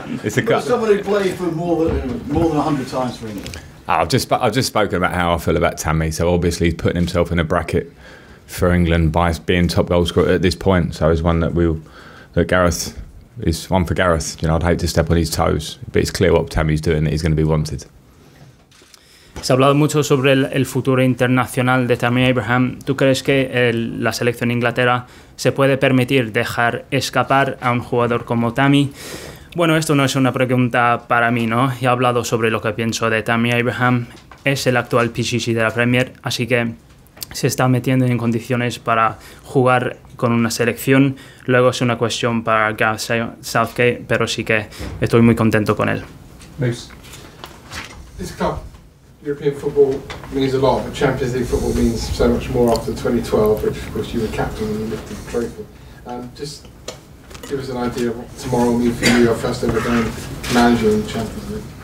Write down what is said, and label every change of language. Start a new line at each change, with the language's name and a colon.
English: Someone who played for more than 100 times for England. I've just spoken about how I feel about Tammy, so obviously he's putting himself in a bracket for England by being top goal scorer at this point. So it's one that Gareth, you know, I'd hate to step on his toes, but it's clear what Tammy's doing that he's going to be wanted.
Spanish: Se ha hablado mucho sobre el futuro internacional de Tammy Abraham. ¿Tú crees que la selección Inglaterra se puede permitir dejar escapar a un jugador como Tammy? Bueno, esto no es una pregunta para mí, ¿no? He hablado sobre lo que pienso de Tammy Abraham. Es el actual PCC de la Premier, así que se está metiendo en condiciones para jugar con una selección. Luego es una cuestión para Gareth Southgate, pero sí que estoy muy contento con él.
English: Moose. This club, European football, means a lot, but Champions League football means so much more after 2012, which of course you were captain and you lifted the trophy. Just give us an idea of what tomorrow will mean for you, your first ever game manager in the Champions League.